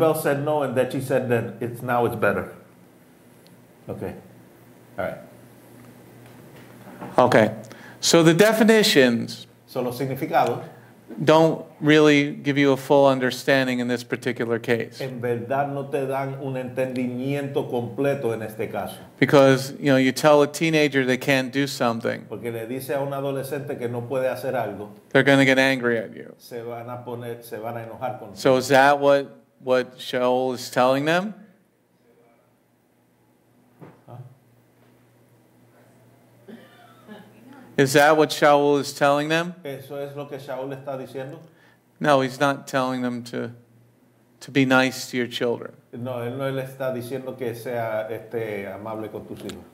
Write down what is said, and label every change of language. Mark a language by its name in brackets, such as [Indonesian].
[English] you? Isabel said no, and then she said that it's now it's better. Okay, all right. Okay, so the definitions. [Spanish] So los significados. [English] Don't really give you a full understanding in this particular case. [Spanish] En verdad no te dan un entendimiento completo en este caso. [English] Because, you know, you tell a teenager they can't do something. [Spanish] Porque le dice a un adolescente que no puede hacer algo. [English] They're going to get angry at you. [Spanish] Se van a enojar con [English] so is that what Shaul is telling them? Is that what Shaul is telling them? [Spanish] ¿Eso es lo que Shaul está diciendo? [English] No, he's not telling them to be nice to your children. [Spanish] No, él no le está diciendo que sea amable con tus hijos.